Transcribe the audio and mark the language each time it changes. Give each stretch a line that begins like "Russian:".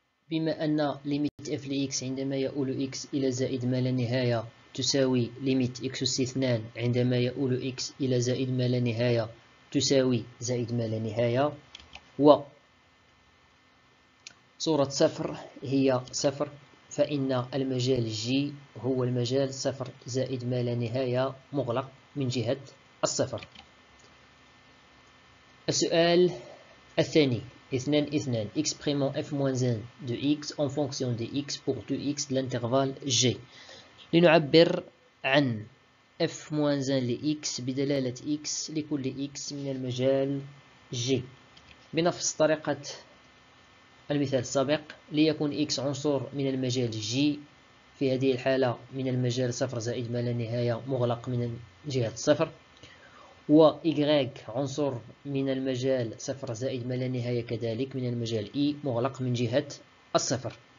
Arabic: بما أن limit f لx عندما يؤول x إلى زائد ما لا نهاية تساوي limit x استثنان عندما يؤول x إلى زائد ما لا نهاية تساوي زائد ما لا نهاية، وصورة صفر هي صفر، فإن المجال G هو المجال صفر زائد ما لا نهاية مغلق من جهة الصفر. السؤال الثاني
French: 2 2 exprimant f moins 1 de x en fonction de x pour tout x de l'intervalle G.
Arabic: لنعبر عن f moins 1 لx بدلالة x لكل x من المجال G بنفس طريقة المثال السابق، ليكن x عنصر من المجال G في هذه الحالة من المجال صفر زائد ما لا نهاية مغلق من جهة الصفر، و y عنصر من المجال صفر زائد ما لا نهاية كذلك من المجال E مغلق من جهة الصفر.